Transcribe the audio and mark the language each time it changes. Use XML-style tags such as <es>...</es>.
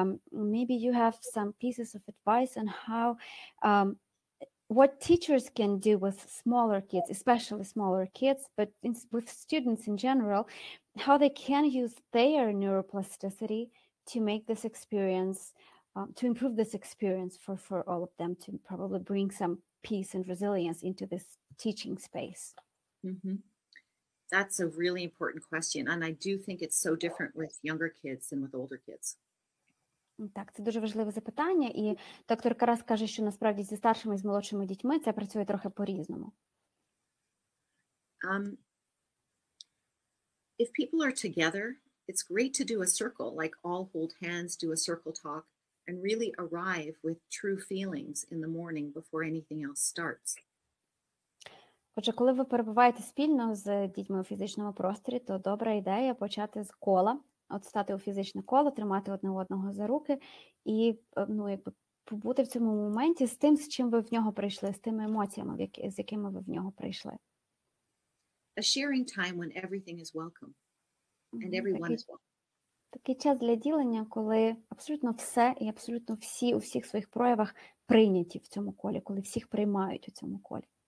<en>Maybe you have some pieces of advice on how what teachers can do with smaller kids, especially smaller kids, but with students in general, how they can use their neuroplasticity to make this experience, to improve this experience for all of them, to probably bring some peace and resilience into this teaching space. Mm-hmm. That's a really important question. And I do think it's so different with younger kids than with older kids.</en> <uk>Так, це дуже важливе запитання, і доктор Карас каже, що насправді зі старшими і з молодшими дітьми це працює трохи по-різному.</uk> <en>If people are together, it's great to do a circle, like all hold hands, do a circle talk, and really arrive with true feelings in the morning before anything else starts.</en> <uk>Отже, коли ви перебуваєте спільно з дітьми у фізичному просторі, то добра ідея почати з кола. От стати у фізичне коло, тримати одне одного за руки і ну, якби побути в цьому моменті з тим, з чим ви в нього прийшли, з тими емоціями, з якими ви в нього прийшли.</uk> <en>A sharing time when everything is welcome and everyone is welcome.</en> <uk>Такий час для ділення, коли абсолютно все і абсолютно всі у всіх своїх проявах прийняті в цьому колі, коли всіх приймають у цьому колі.</uk>